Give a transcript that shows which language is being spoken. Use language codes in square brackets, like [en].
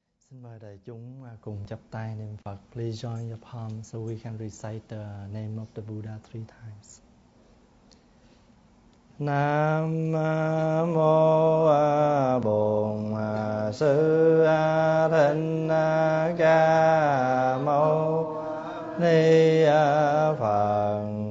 [vi] Xin mời đại chúng cùng chắp tay niệm Phật. [en] Please join your palms so we can recite the name of the Buddha three times. [vi] Nam mô Bổn Sư Thích Ca Mâu Ni Phật.